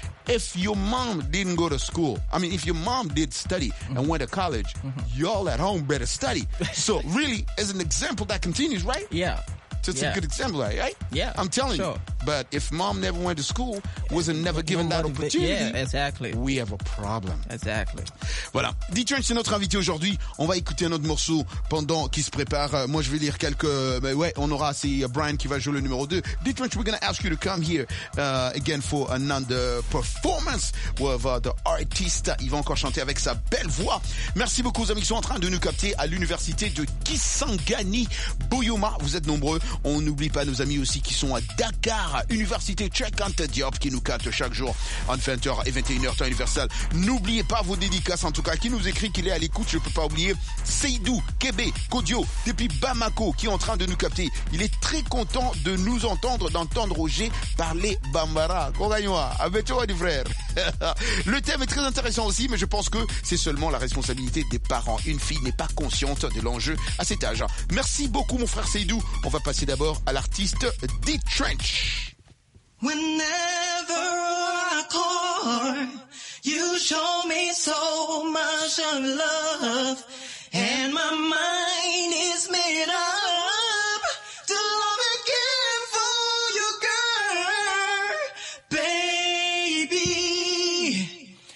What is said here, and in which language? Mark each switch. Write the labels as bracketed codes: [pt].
[en] If your mom didn't go to school, I mean, if your mom did study and went to college, y'all at home better study. So, really, as an example, that continues, right? Yeah. So it's a good example, right? Yeah. I'm telling you. But if mom never went to school, wasn't given that opportunity, we have a problem. Exactly. [fr] Voilà. D-Trench, c'est notre invité aujourd'hui. On va écouter un autre morceau pendant qu'il se prépare. Moi, je vais lire quelques... Mais ouais, on aura... C'est Brian qui va jouer le numéro 2. [en] D-Trench, we're going to ask you to come here again for another performance with the artist. [fr] Il va encore chanter avec sa belle voix. Merci beaucoup, aux amis qui sont en train de nous capter à l'université de Kisangani, Boyoma. Vous êtes nombreux. On n'oublie pas nos amis aussi qui sont à Dakar, Université Tchekante Diop, qui nous capte chaque jour entre 20h et 21h, temps universel. N'oubliez pas vos dédicaces, en tout cas, qui nous écrit qu'il est à l'écoute, je ne peux pas oublier. Seydou, Kébé, Kodio, depuis Bamako, qui est en train de nous capter. Il est très content de nous entendre, d'entendre Roger parler Bambara. Kogaywa, abetoua du frère. Le thème est très intéressant aussi, mais je pense que c'est seulement la responsabilité des parents. Une fille n'est pas consciente de l'enjeu à cet âge. Merci beaucoup, mon frère Seydou. On va passer d'abord à l'artiste D-Trench. [en] Whenever I call, you show me so much of love, and my mind is made up to love again for you, girl, baby.